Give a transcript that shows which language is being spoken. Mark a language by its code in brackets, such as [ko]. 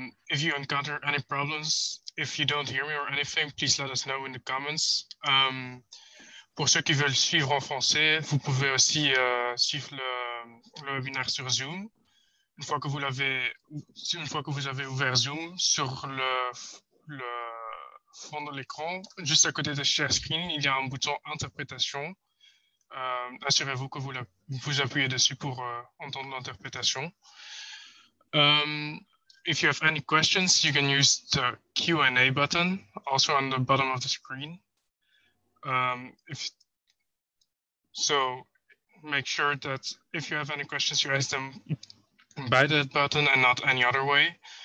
[en] If you encounter any problems, if you don't hear me or anything, please let us know in the comments. [fr] Pour ceux qui veulent suivre en français, vous pouvez aussi suivre le webinaire sur Zoom. Une fois que vous avez ouvert Zoom, sur le fond de l'écran, juste à côté de Share Screen, il y a un bouton Interprétation. Assurez-vous que vous appuyez dessus pour entendre l'interprétation. [en] If you have any questions, you can use the Q&A button, also on the bottom of the screen. So make sure that if you have any questions, you ask them by that button and not any other way.